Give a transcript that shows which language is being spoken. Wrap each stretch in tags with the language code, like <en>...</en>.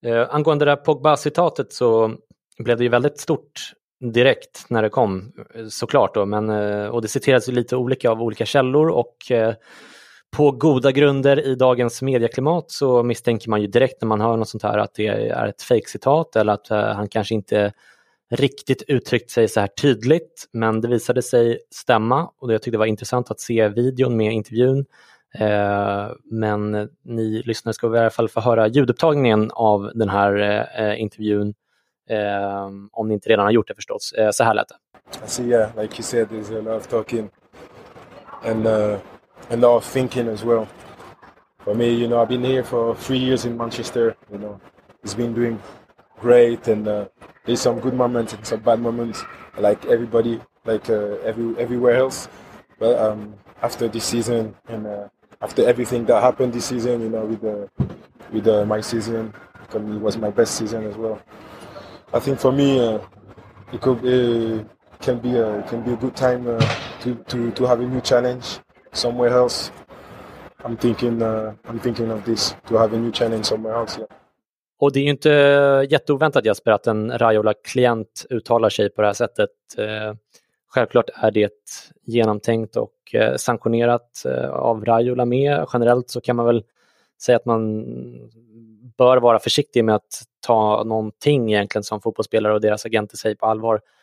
<sv>Angående det Pogba-citatet så blev det ju väldigt stort direkt när det kom, såklart då, men, och det citerades ju lite olika av olika källor, och på goda grunder i dagens medieklimat så misstänker man ju direkt när man hör något sånt här att det är ett fejkcitat eller att han kanske inte riktigt uttryckt sig så här tydligt, men det visade sig stämma, och jag tyckte det var intressant att se videon med intervjun. Men ni lyssnare ska i alla fall få höra ljudupptagningen av den här intervjun, om ni inte redan har gjort det förstås. Så här lät det.</sv> <en>So yeah, like you said, there's a lot of talking and a lot of thinking as well. For me, you know, I've been here for 3 years in Manchester, you know, it's been doing great, and there's some good moments and some bad moments, like everybody, like everywhere else. But after this season and after everything that happened this season, you know, with my season, because it was my best season as well. I think for me, it can be a good time to have a new challenge somewhere else. I'm thinking of this, to have a new challenge somewhere else. Yeah.</en> <sv>Och det är ju inte jätteoväntat, Jesper, att en Raiola-klient uttalar sig på det här sättet. Självklart är det genomtänkt och sanktionerat av Raiola med. Generellt så kan man väl säga att man bör vara försiktig med att ta någonting egentligen som fotbollsspelare och deras agenter säger på allvar.</sv>